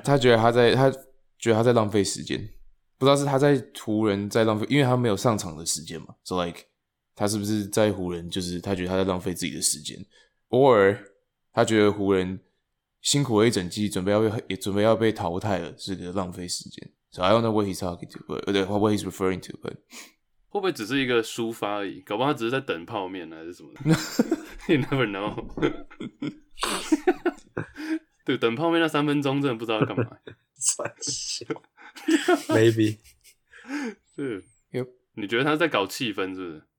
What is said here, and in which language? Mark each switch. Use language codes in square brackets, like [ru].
[zh] 他觉得他在浪费时间，不知道是他在湖人在浪费，因为他没有上场的时间嘛。 [en] So like， [zh] 他是不是在湖人？就是他觉得他在浪费自己的时间 ， [en] or [zh] 他觉得湖人辛苦了一整季，准备要被淘汰了，是个浪费时间。 [en] So I don't know what he's talking to， but what he's referring to， but [zh] 会不会只是一个抒发而已？搞不好他只是在等泡面还是什么？ [en] You never know 。 [zh] 对，等泡面那三分钟真的不知道要干嘛。算笑 ， [en] maybe [zh] 是，yep。你觉得他在搞气氛是不是？